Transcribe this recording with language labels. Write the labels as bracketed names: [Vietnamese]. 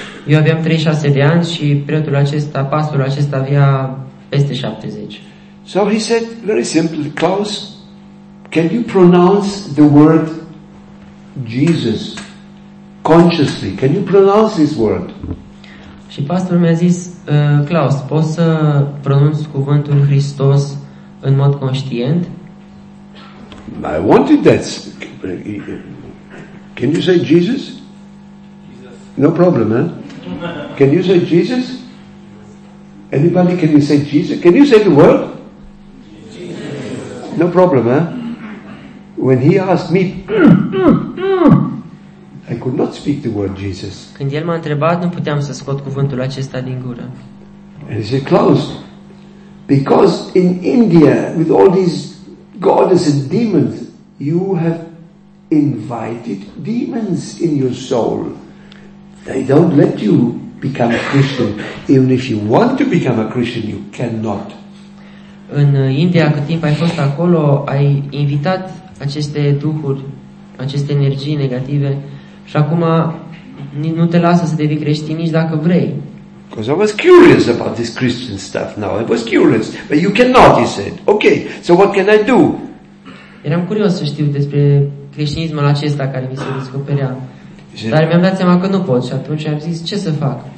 [Romanian] Eu aveam 36 de ani și preotul acesta, pastorul acesta avea peste 70. [English] So he said very simply, Klaus, can you pronounce the word Jesus consciously? Can you pronounce this word? [Romanian] Și pastorul mi-a zis, Klaus, poți să pronunți cuvântul Hristos în mod conștient? [English] I wanted that. Can you say Jesus? No problem, eh? Can you say Jesus? Anybody, can you say Jesus? Can you say the word? Jesus. No problem, eh? When he asked me, I could not speak the word Jesus. [Romanian] Când el m-a întrebat, nu puteam să scot cuvântul acesta din gură. [English] And he said, Klaus, because in India, with all these goddess and demons, you have invited demons in your soul. They don't let you become a Christian. Even if you want to become a Christian, you cannot. [Romanian] În India, cât timp ai fost acolo, ai invitat aceste duhuri, aceste energii negative și acum nu te lasă să devii creștin nici dacă vrei. [English] Because I was curious about this Christian stuff now. I was curious. But you cannot, he said. Okay, so what can I do? [Romanian] Eram curios să știu despre creștinismul acesta care mi se descoperea. Dar mi-am dat seama că nu pot și atunci am zis, ce să fac?